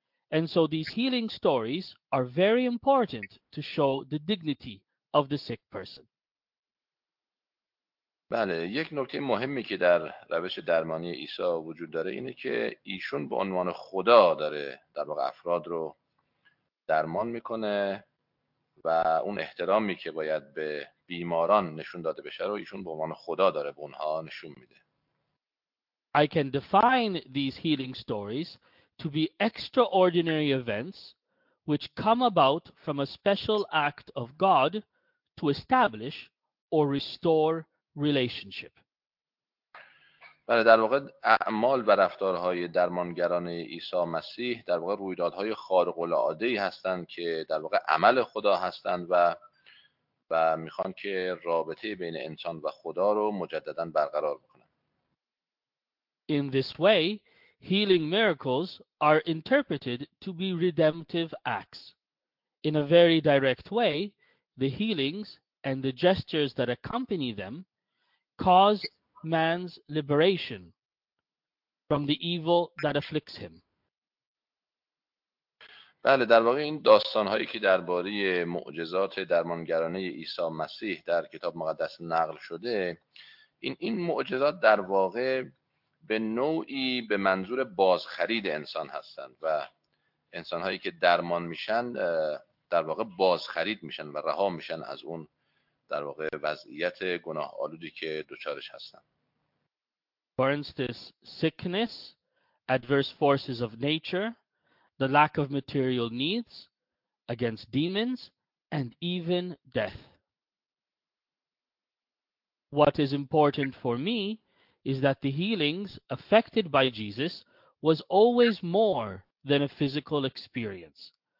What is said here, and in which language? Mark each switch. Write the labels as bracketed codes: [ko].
[en] And so these healing stories are very important to show the dignity of the sick person. [fa] بله، یک نکته مهمی که در روش درمانی عیسی وجود داره اینه که ایشون به عنوان خدا داره در واقع افراد رو درمان میکنه و اون احترامی که باید به بیماران نشون داده بشه رو ایشون به عنوان خدا داره به اونها نشون میده. [en] I can define these healing stories to be extraordinary events which come about from a special act of God to establish or restore relationship. [fa] بله، در واقع اعمال و رفتارهای درمانگران عیسی مسیح در واقع رویدادهای خارق العاده‌ای هستند که در واقع عمل خدا هستند و میخوان که رابطه بین انسان و خدا رو مجددا برقرار بکنن. [en] In this way, healing miracles are interpreted to be redemptive acts. In a very direct way, the healings and the gestures that accompany them cause man's liberation from the evil that afflicts him. [fa] بله، در واقع این داستان‌هایی که درباره معجزات درمانگرانه عیسی مسیح در کتاب مقدس نقل شده، این معجزات در واقع به نوعی به منظور بازخرید انسان هستند و انسان‌هایی که درمان میشن در واقع بازخرید میشن و رها میشن از اون در واقع وضعیت گناه آلودی که دوچارش هستن. [en] For instance, sickness, adverse forces of nature, the lack of material needs, against demons, and even death. What is important for me is that the healings affected by Jesus was always more than a physical experience.